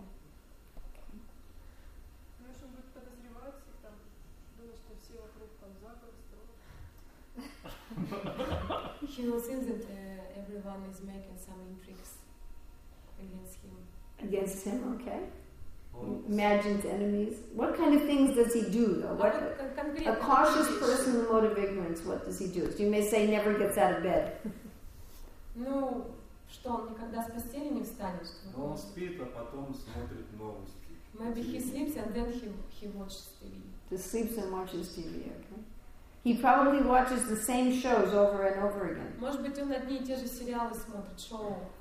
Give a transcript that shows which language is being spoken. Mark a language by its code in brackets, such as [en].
[en] He will think that everyone is making some intrigues against him. Against him, okay. Imagined enemies. What kind of things does he do, though? What, a cautious person in the mode of ignorance, what does he do? You may say he never gets out of bed. [ru] Ну, что, он никогда с постели не встанет? Но он спит, а потом смотрит новости. [en] Maybe he sleeps and then he watches TV. He sleeps and watches TV, okay. He probably watches the same shows over and over again. [ru] Может быть, он одни и те же сериалы смотрит, шоу.